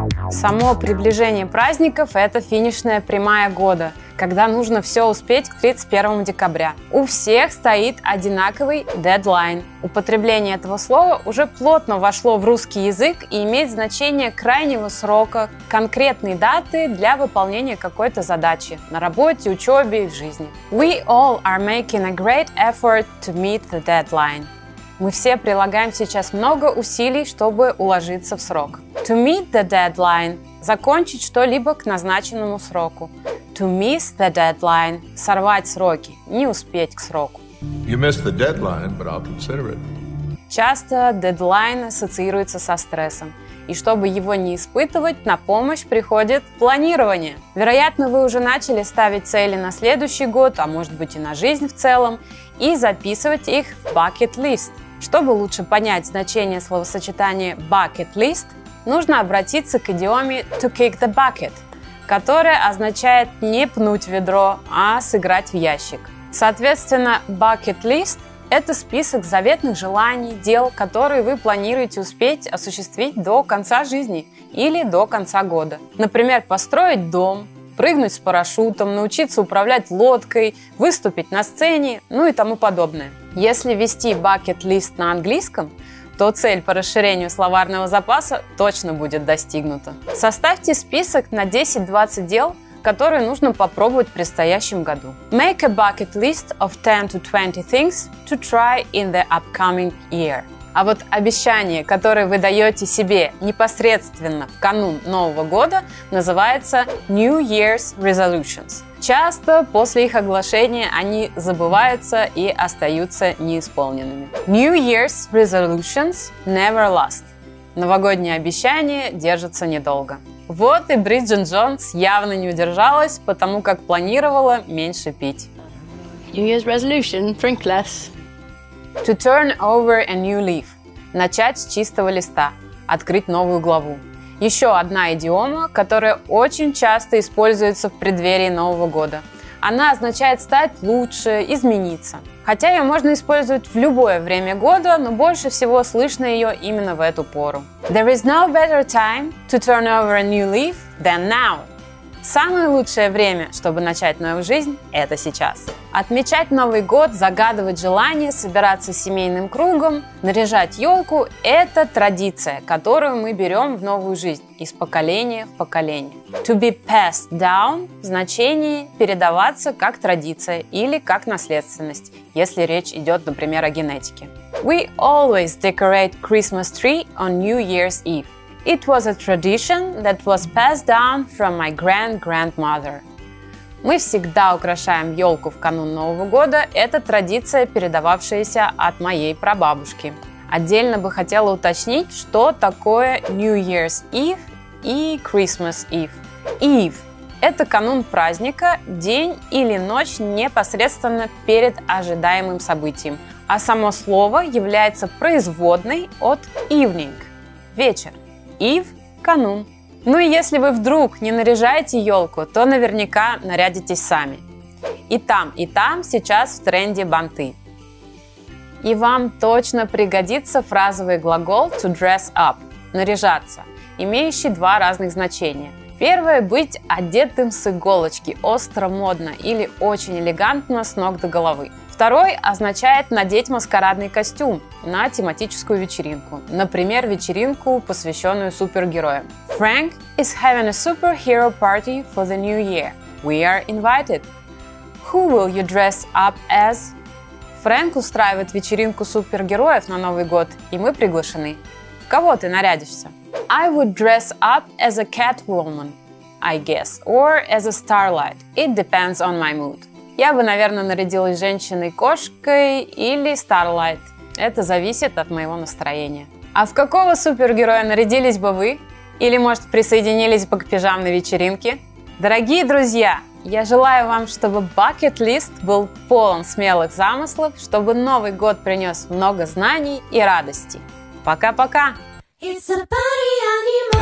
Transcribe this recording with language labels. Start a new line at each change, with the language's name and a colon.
Russian: Само приближение праздников – это финишная прямая года, когда нужно все успеть к 31 декабря. У всех стоит одинаковый дедлайн. Употребление этого слова уже плотно вошло в русский язык и имеет значение крайнего срока, конкретной даты для выполнения какой-то задачи на работе, учебе и в жизни.
English: We all are making a great effort to meet the deadline.
Russian: Мы все прилагаем сейчас много усилий, чтобы уложиться в срок.
English: To meet the deadline
Russian: – закончить что-либо к назначенному сроку.
English: To miss the deadline
Russian: – сорвать сроки, не успеть к сроку.
English: You missed the deadline, but I'll consider it.
Russian: Часто дедлайн ассоциируется со стрессом. И чтобы его не испытывать, на помощь приходит планирование. Вероятно, вы уже начали ставить цели на следующий год, а может быть и на жизнь в целом, и записывать их в bucket list. Чтобы лучше понять значение словосочетания bucket list, нужно обратиться к идиоме
English: to kick the bucket,
Russian: которая означает не пнуть ведро, а сыграть в ящик. Соответственно, bucket list – это список заветных желаний, дел, которые вы планируете успеть осуществить до конца жизни или до конца года. Например, построить дом, прыгнуть с парашютом, научиться управлять лодкой, выступить на сцене, ну и тому подобное. Если вести bucket list на английском, то цель по расширению словарного запаса точно будет достигнута. Составьте список на 10-20 дел, которые нужно попробовать в предстоящем году.
English: Make a bucket list of 10 to 20 things to try in the upcoming year.
Russian: А вот обещание, которое вы даете себе непосредственно в канун Нового года, называется
English: New Year's Resolutions.
Russian: Часто после их оглашения они забываются и остаются неисполненными.
English: New Year's Resolutions never last.
Russian: Новогодние обещания держатся недолго. Вот и Бриджит Джонс явно не удержалась, потому как планировала меньше пить.
English: New Year's resolution, drink less. To turn over a new leaf.
Russian: Начать с чистого листа, открыть новую главу. Еще одна идиома, которая очень часто используется в преддверии Нового года. Она означает стать лучше, измениться. Хотя ее можно использовать в любое время года, но больше всего слышно ее именно в эту пору.
English: There is no better time to turn over a new leaf than now.
Russian: Самое лучшее время, чтобы начать новую жизнь, это сейчас. Отмечать Новый год, загадывать желания, собираться с семейным кругом, наряжать елку – это традиция, которую мы берем в новую жизнь из поколения в поколение.
English: To be passed down
Russian: – в значении передаваться как традиция или как наследственность, если речь идет, например, о генетике.
English: We always decorate Christmas tree on New Year's Eve. It was a tradition that was passed down from my grand-grandmother.
Russian: Мы всегда украшаем елку в канун Нового года. Это традиция, передававшаяся от моей прабабушки. Отдельно бы хотела уточнить, что такое New Year's Eve и Christmas Eve. Eve – это канун праздника, день или ночь непосредственно перед ожидаемым событием. А само слово является производной от evening – вечер. Ив – канун. Ну и если вы вдруг не наряжаете елку, то наверняка нарядитесь сами. И там сейчас в тренде банты. И вам точно пригодится фразовый глагол
English: to dress up
Russian: – наряжаться, имеющий два разных значения. Первое – быть одетым с иголочки, остро, модно или очень элегантно с ног до головы. Второй означает надеть маскарадный костюм на тематическую вечеринку. Например, вечеринку, посвященную супергероям.
English: Frank is having a superhero party for the new year. We are invited. Who will you dress up as?
Russian: Фрэнк устраивает вечеринку супергероев на Новый год, и мы приглашены. В кого ты нарядишься?
English: I would dress up as a Catwoman, I guess, or as a Starlight. It depends on my mood.
Russian: Я бы, наверное, нарядилась женщиной-кошкой или Starlight. Это зависит от моего настроения. А в какого супергероя нарядились бы вы? Или, может, присоединились бы к пижамной вечеринке? Дорогие друзья, Я желаю вам, чтобы bucket list был полон смелых замыслов, чтобы Новый год принес много знаний и радости. Пока-пока!
English: It's a party on the